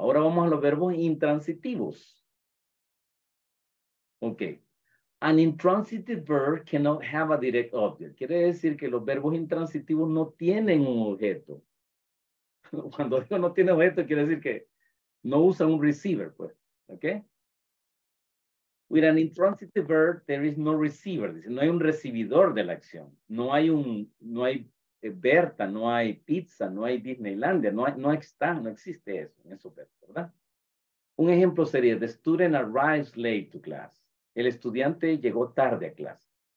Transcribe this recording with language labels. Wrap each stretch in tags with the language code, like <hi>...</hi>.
<es>Ahora vamos a los verbos intransitivos. Ok.</es> <en>An intransitive verb cannot have a direct object.</en> <es>Quiere decir que los verbos intransitivos no tienen un objeto. Cuando digo no tiene objeto, quiere decir que no usa un receiver, pues. Ok.</es> <en>With an intransitive verb, there is no receiver.</en> <es>Dice, no hay un recibidor de la acción. No hay Berta, no hay pizza, no hay Disneylandia. No existe eso, ¿verdad? Un ejemplo sería,</es> <en>the student arrives late to class.</en> <es>El estudiante llegó tarde a clase.</es>